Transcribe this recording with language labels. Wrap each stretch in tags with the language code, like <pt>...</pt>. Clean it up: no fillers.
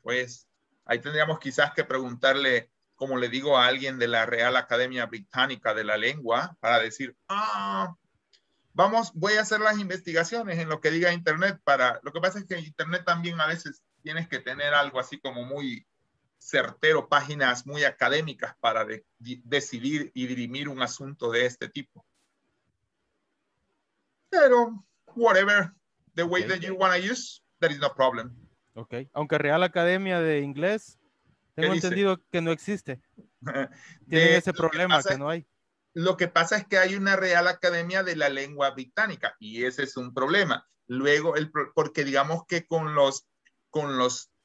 <es>Pues ahí tendríamos quizás que preguntarle, como le digo, a alguien de la Real Academia Británica de la Lengua para decir, voy a hacer las investigaciones en lo que diga Internet para... Lo que pasa es que Internet también a veces tienes que tener algo así como muy certero, páginas muy académicas para decidir y dirimir un asunto de este tipo.</es> <en>Pero, whatever, the way that you want to use, there is no problem.</en> <es>Ok, aunque Real Academia de Inglés, tengo entendido que no existe. Tiene ese problema que no hay. Lo que pasa es que hay una Real Academia de la Lengua Británica y ese es un problema. Luego, porque digamos que con los</es>